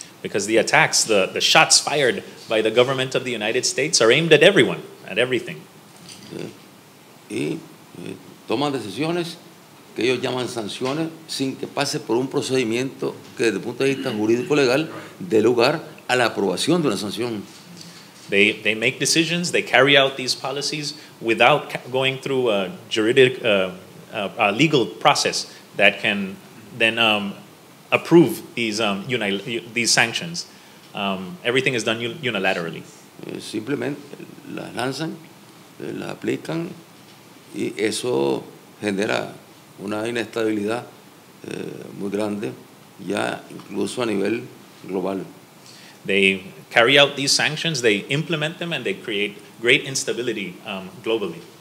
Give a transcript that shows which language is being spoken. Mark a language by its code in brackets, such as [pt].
[en] Because the attacks, the shots fired by the government of the United States are aimed at everyone, at everything. [es] Y toman decisiones que ellos llaman sanciones, sin que pase por un procedimiento que desde el punto de vista jurídico legal dé lugar a la aprobación de una sanción. [en] They make decisions, they carry out these policies without going through a juridic a legal process that can then approve these sanctions. Everything is done unilaterally. [es] Simplemente las lanzan, las aplican y eso genera una inestabilidad muy grande, ya incluso a nivel global. [en] They carry out these sanctions, they implement them, and they create great instability globally.